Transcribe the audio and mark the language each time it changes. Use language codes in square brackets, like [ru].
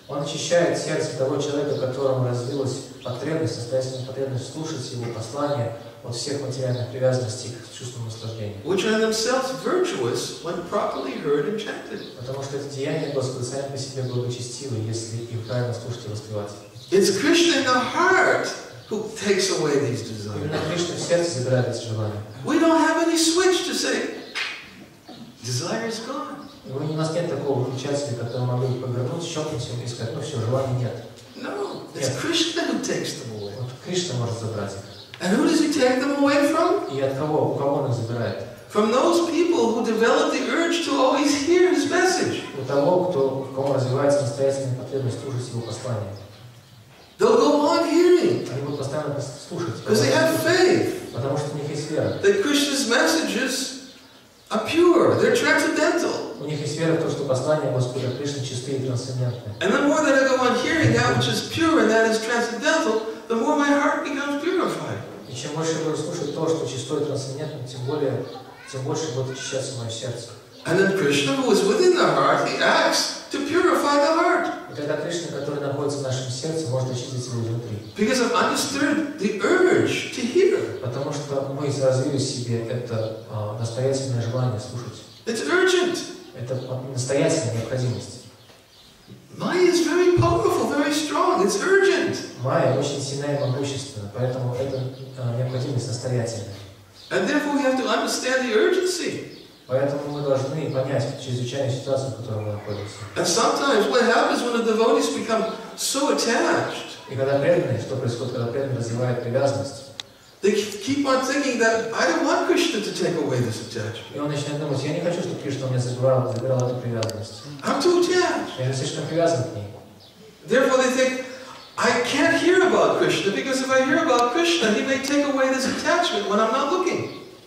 [ru] Он очищает сердце того человека, которому развилась потребность, состоятельная потребность слушать его послания от всех материальных привязанностей к чувствам наслаждения. [en] Which are themselves virtuous when properly heard and chanted. [ru] Потому что эти деяния Господа сами по себе благочестивы, если их правильно слушать и воспевать. [en] It's Krishna in the heart who takes away these desires. [ru] Именно Кришна в сердце забирает эти желания. [en] We don't have any switch to say, desire is gone. [ru] У нас нет такого выключателя, который могли бы повернуть, щелкнуть и сказать, ну все, желаний нет. [en] No, it's [ru] нет. [en] Krishna who takes them away. [ru] Вот Кришна может забрать их. [en] And who does he take them away from? [ru] И от кого? У кого он их забирает? [en] From those people who develop the urge to always hear his message. [ru] У того, кто, у кого развивается настоятельная потребность слушать его послание. [en] They'll go on hearing. [ru] Они будут постоянно слушать. [en] Because they have faith. [ru] Потому что у них есть вера. [en] That Krishna's messages are pure, they're transcendental. [ru] У них есть вера в то, что послания Господа Кришны чисты и трансцендентны. [en] And the more that I go on hearing that which is pure and that is transcendental, the more my heart becomes purified. [ru] И чем больше я буду слушать то, что чисто и трансцендентно, тем больше будет очищаться мое сердце. [en] And then Krishna, who is within the heart, he acts to purify the heart. [ru] И тогда Кришна, который находится в нашем сердце, может очистить его изнутри. [en] Because I've understood the urge to hear. [ru] Потому что мы развили в себе это настоятельное желание слушать. [en] It's urgent. [ru] Это настоятельная необходимость. [en] Майя is very powerful, very strong. It's urgent. [ru] Майя очень сильная и могущественная, поэтому это необходимость настоятельная. [en] And therefore we have to understand the urgency. [ru] Поэтому мы должны понять чрезвычайную ситуацию, в которой мы находимся. [en] And sometimes what happens when the devotees become so attached? [ru] И когда преданные, что происходит, когда преданные развивают привязанность? [en] They keep on thinking that I don't want Krishna to take away this attachment. [ru] И он начинает думать, я не хочу, чтобы Кришна меня забирал эту привязанность. [en] I'm too attached. [ru] Я слишком привязан к ней. [en] Therefore, they think I can't hear about Krishna because if I hear about Krishna, he may take away this attachment when I'm not looking.